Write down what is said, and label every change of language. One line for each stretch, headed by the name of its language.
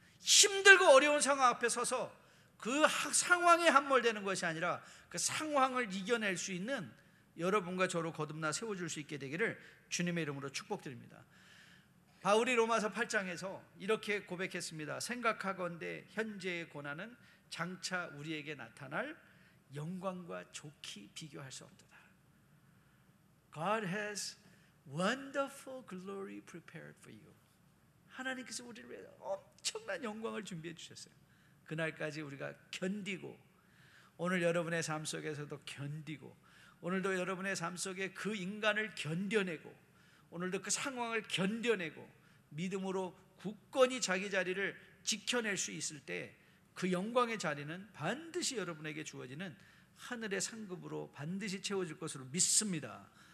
Korean: 힘들고 어려운 상황 앞에 서서 그 상황에 함몰되는 것이 아니라 그 상황을 이겨낼 수 있는 여러분과 저로 거듭나 세워줄 수 있게 되기를 주님의 이름으로 축복드립니다. 바울이 로마서 8장에서 이렇게 고백했습니다. 생각하건대 현재의 고난은 장차 우리에게 나타날 영광과 좋게 비교할 수 없도다.
English: God has wonderful glory prepared for you.
Korean: 하나님께서 우리를 위해 엄청난 영광을 준비해 주셨어요. 그날까지 우리가 견디고 오늘 여러분의 삶 속에서도 견디고 오늘도 여러분의 삶 속에 그 인간을 견뎌내고 오늘도 그 상황을 견뎌내고 믿음으로 굳건히 자기 자리를 지켜낼 수 있을 때 그 영광의 자리는 반드시 여러분에게 주어지는 하늘의 상급으로 반드시 채워질 것으로 믿습니다.